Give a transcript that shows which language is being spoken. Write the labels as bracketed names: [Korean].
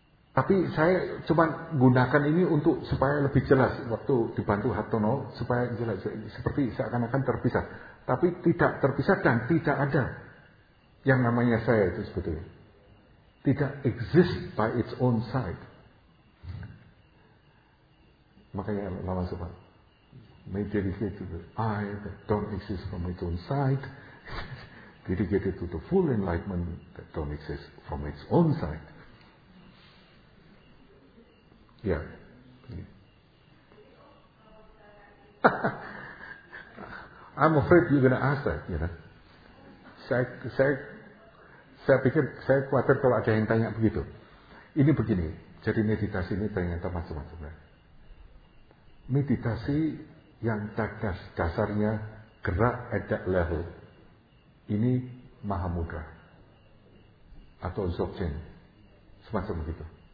[Indonesian] Tapi saya cuma gunakan ini untuk supaya lebih jelas. Waktu dibantu Hartono, supaya jelas. Seperti seakan-akan terpisah. Tapi tidak terpisah dan tidak ada. Yang namanya saya itu sebetulnya. Tidak [English] exist by its own side. [Indonesian] Makanya lama sempat. [English] Meditated to the I that don't exist from its own side. Dedicated to the full enlightenment that don't exist from its own side. [Indonesian] Ya. [English] Yeah. I'm afraid you're going to ask that. You know? [Indonesian] Saya pikir, saya khawatir kalau ada yang tanya begitu. Ini begini, jadi meditasi ini ternyata macam-macam. Meditasi yang dasarnya gerak [English] at that level, [Indonesian] ini Mahamudra atau Dzogchen, semacam begitu.